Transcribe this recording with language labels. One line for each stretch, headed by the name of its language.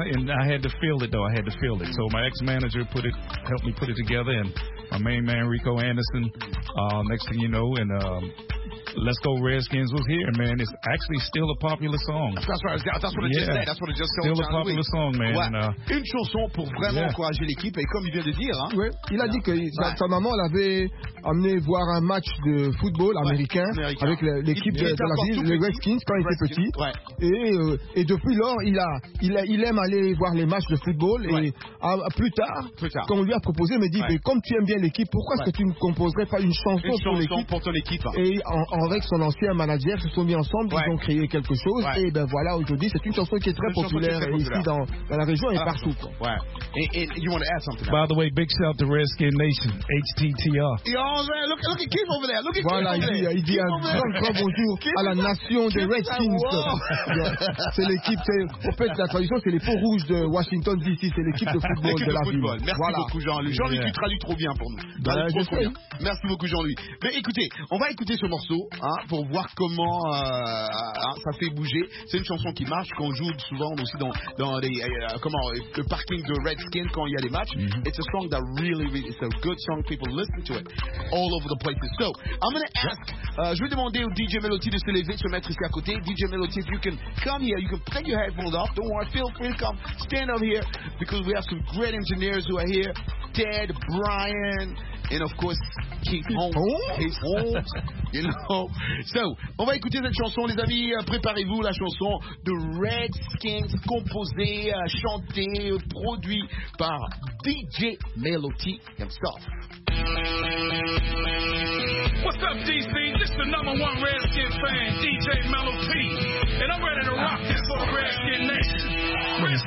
English: And I had to feel it, though. I had to feel it. So my ex-manager helped me put it together, and my main man, Rico Anderson, next thing you know, and Let's Go Redskins was here, man. It's actually still a popular song. That's right. That's what it just said. That's what it just said. Still a popular song, man.
French: Ouais. Une chanson pour vraiment encourager l'équipe. Et comme il vient de dire, hein. Ouais. Il a dit que sa maman l'avait amené voir un match de football américain, avec l'équipe de la ville, les Redskins, quand il était petit. Ouais. Et depuis lors, il aime aller voir les matchs de football. Et plus tard, quand on lui a proposé, il m'a dit, comme tu aimes bien l'équipe, pourquoi est-ce que tu ne composerais pas une chanson pour l'équipe? Une chanson pour ton équipe. Et avec son ancien manager, se sont mis ensemble, ils ont créé quelque chose, et ben voilà, aujourd'hui, c'est une chanson qui est très populaire, ici dans la région et partout.
English: And you want to add something? By the way, big shout out to Redskin Nation, HTTR. Yo, man, look at Kim over there, look at
French: voilà,
English: Kim over there.
French: Voilà, il dit un grand, grand bonjour à la nation des Redskins. C'est l'équipe, au fait, la tradition, c'est les peaux rouges de Washington DC, c'est l'équipe de football de la ville. Merci beaucoup, Jean-Louis. Jean-Louis, tu traduis trop bien pour nous. Merci beaucoup, Jean-Louis. Mais écoutez, on va écouter ce morceau. Hein, pour voir comment ça fait bouger. C'est une chanson qui marche, qu'on joue souvent aussi dans les, le parking de Redskins quand il y a des matchs. Mm-hmm.
English: It's a song that really, it's a good song. People listen to it all over the places. So, I'm going to ask,
French: je vais demander au DJ Melody de se lever, de se mettre ici à côté.
English: DJ Melody, if you can come here, you can put your headphones off. Don't worry, feel free to come. Stand up here because we have some great engineers who are here.
French: Ted, Brian,
English: and of course,
French: So, on va écouter cette chanson, les amis. Préparez-vous, la chanson de Redskins, composée, chantée, produite par DJ Melody himself.
English: What's up, DC? This is the number one Redskins fan, DJ Melody, and I'm ready to rock this for the Redskins Nation.